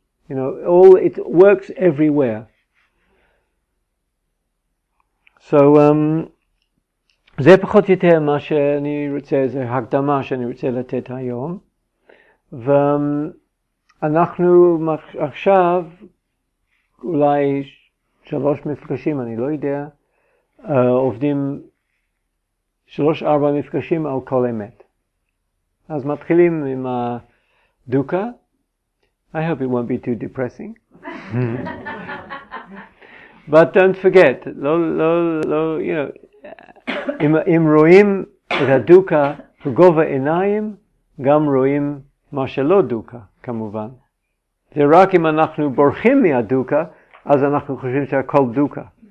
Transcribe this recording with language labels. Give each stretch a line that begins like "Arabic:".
English: You know, all it works everywhere.
Hebrew: So, זה פחות או יותר מה שאני רוצה, זה הקדמה שאני רוצה לתת היום. ואנחנו עכשיו, אולי שלוש מפגשים, אני לא יודע, עובדים שלוש ארבע מפגשים על כל אמת. אז מתחילים עם הדוקה.
English: I hope it won't be too depressing. But don't forget, you know,
Hebrew: אם רואים את הדוקה בגובה עיניים, גם רואים מה שלא דוקה, כמובן. זה רק אם אנחנו בורחים מהדוקה, אז אנחנו חושבים שהכל דוקה.